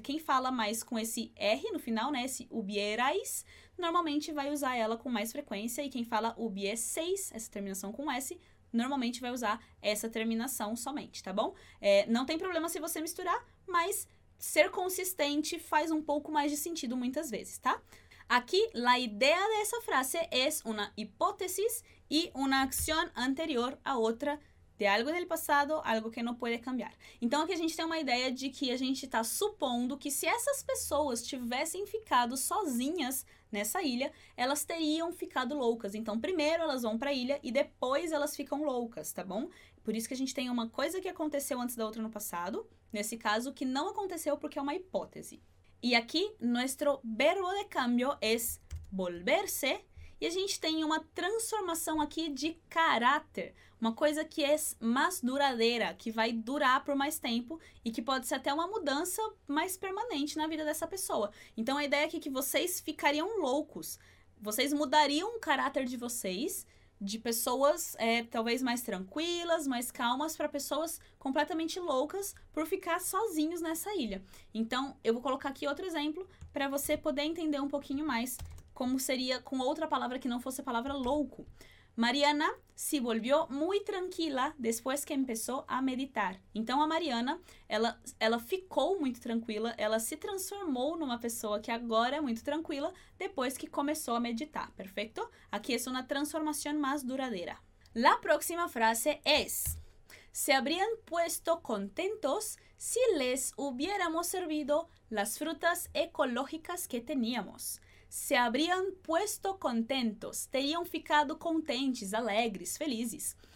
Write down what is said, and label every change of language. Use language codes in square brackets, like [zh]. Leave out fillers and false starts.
[pt] Quem fala mais com esse R no final, né, esse hubierais, normalmente vai usar ela com mais frequência, e quem fala hubieseis, essa terminação com S, normalmente vai usar essa terminação somente, tá bom? Não tem problema se você misturar, mas ser consistente faz um pouco mais de sentido muitas vezes, tá? [es] Aqui, la idea de esa frase es una hipótesis y una acción anterior a otra de algo del pasado, algo que no puede cambiar. [pt] Então, aqui a gente tem uma ideia de que a gente está supondo que se essas pessoas tivessem ficado sozinhas nessa ilha, elas teriam ficado loucas. Então, primeiro elas vão para a ilha e depois elas ficam loucas, tá bom? Por isso que a gente tem uma coisa que aconteceu antes da outra no passado, nesse caso, que não aconteceu porque é uma hipótese. E aqui, nosso verbo de cambio é volverse. E a gente tem uma transformação aqui de caráter. Uma coisa que é mais duradeira, que vai durar por mais tempo e que pode ser até uma mudança mais permanente na vida dessa pessoa. Então, a ideia aqui é que vocês ficariam loucos. Vocês mudariam o caráter de vocês, de pessoas talvez mais tranquilas, mais calmas, para pessoas completamente loucas por ficar sozinhos nessa ilha. Então, eu vou colocar aqui outro exemplo para você poder entender um pouquinho mais como seria com outra palavra que não fosse a palavra louco. [es] Mariana se volvió muy tranquila después que empezó a meditar. [pt] Então, a Mariana, ela ficou muito tranquila, ela se transformou numa pessoa que agora é muito tranquila depois que começou a meditar, perfeito? Aqui é uma transformação mais duradeira. [es] La próxima frase es: se habrían puesto contentos si les hubiéramos servido las frutas ecológicas que teníamos. Se habrían puesto contentos, [pt] teriam ficado contentes, alegres, felizes.